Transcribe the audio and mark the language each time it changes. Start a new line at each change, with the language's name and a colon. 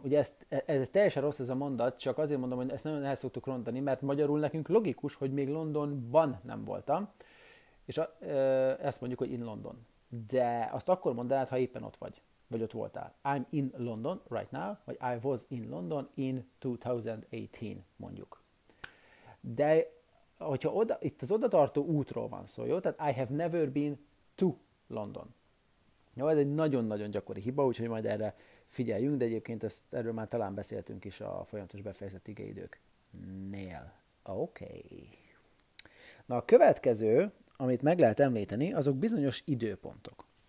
Hungarian: Ugye ez teljesen rossz ez a mondat, csak azért mondom, hogy ezt nagyon el szoktuk rontani, mert magyarul nekünk logikus, hogy még Londonban nem voltam, és ezt mondjuk, hogy in London. De azt akkor mondanád, ha éppen ott vagy, vagy ott voltál.
English: I'm in London right now, vagy I was in London in 2018, mondjuk.
Hungarian: De hogyha itt az odatartó útról van szó, jó?
English: Tehát I have never been to London.
Hungarian: Jó, ez egy nagyon-nagyon gyakori hiba, úgyhogy majd erre figyeljünk, de egyébként erről már talán beszéltünk is a folyamatos befejezett igeidőknél. Oké. Na, a következő, amit meg lehet említeni, azok bizonyos időpontok.